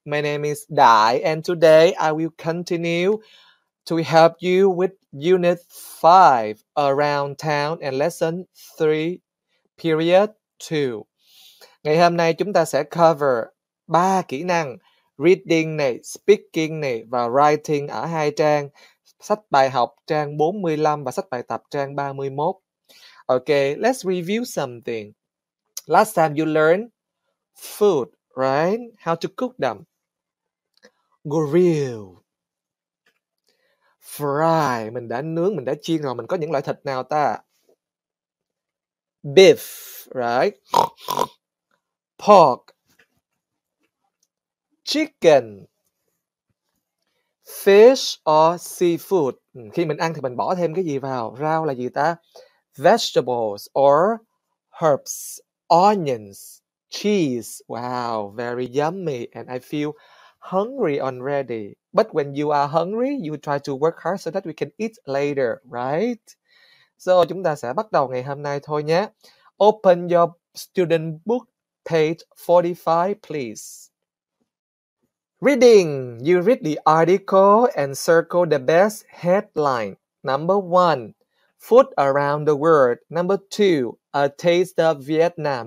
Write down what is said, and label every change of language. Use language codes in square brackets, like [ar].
[en] My name is Dai, and today I will continue to help you with Unit 5 Around Town and Lesson 3 Period 2. [vi] Ngày hôm nay chúng ta sẽ cover 3 kỹ năng reading này, speaking này và writing ở hai trang sách bài học trang 45 và sách bài tập trang 31. [en] Okay, let's review something. Last time you learned food, right? How to cook them. Grill. Fry. [vi] Mình đã nướng, mình đã chiên rồi. Mình có những loại thịt nào ta? [en] Beef, right? Pork. Chicken. Fish or seafood. [vi] Khi mình ăn thì mình bỏ thêm cái gì vào? Rau là gì ta? [en] Vegetables or herbs. Onions. Cheese. Wow, very yummy. And I feel hungry already. But when you are hungry, you try to work hard so that we can eat later, right? [vi] So, chúng ta sẽ bắt đầu ngày hôm nay thôi nhé. [en] Open your student book, page 45, please. Reading. You read the article and circle the best headline. Number one, food around the world. Number two, a taste of Vietnam.